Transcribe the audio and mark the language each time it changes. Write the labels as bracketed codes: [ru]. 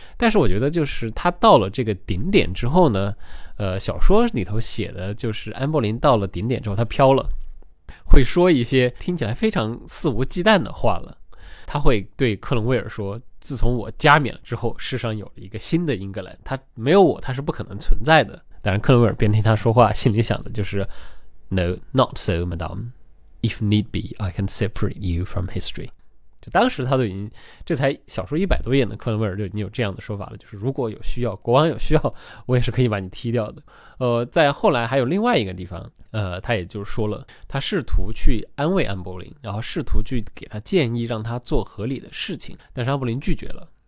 [zh] 但是我觉得就是他到了这个顶点之后呢，小说里头写的就是安柏林到了顶点之后他飘了，会说一些听起来非常肆无忌惮的话了。他会对克伦威尔说，自从我加冕了之后，世上有了一个新的英格兰，他没有我他是不可能存在的。当然克伦威尔边听他说话心里想的就是 [en] No, not so, madame. If need be, I can separate you from history. [zh] 就当时他都已经，这才小说一百多页呢，克伦威尔就已经有这样的说法了，就是如果有需要，国王有需要，我也是可以把你踢掉的。在后来还有另外一个地方，他也就是说了，他试图去安慰安柏林，然后试图去给他建议，让他做合理的事情，但是安柏林拒绝了。